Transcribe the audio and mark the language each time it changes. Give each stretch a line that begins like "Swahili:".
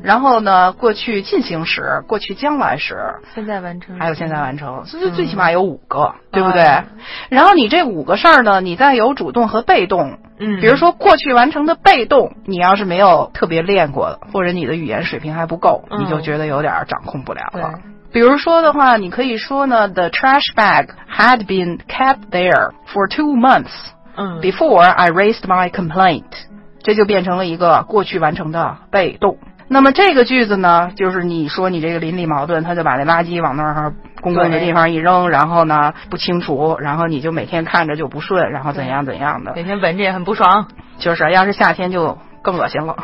Chinese: 然后呢过去进行时，过去将来时，现在完成，还有现在完成。所以最起码有五个。嗯，对不对？哦，然后你这五个事儿呢你再有主动和被动。嗯，比如说过去完成的被动，你要是没有特别练过或者你的语言水平还不够，嗯，你就觉得有点掌控不了了。
English: 比如说的话你可以说呢 the trash bag had been kept there for 2 months before I raised my complaint。
Chinese: 这就变成了一个过去完成的被动。那么这个句子呢就是你说你这个邻里矛盾，他就把那垃圾往那儿公共的地方一扔，然后呢不清除，然后你就每天看着就不顺，然后怎样怎样的，每天闻着也很不爽，就是要是夏天就更恶心了，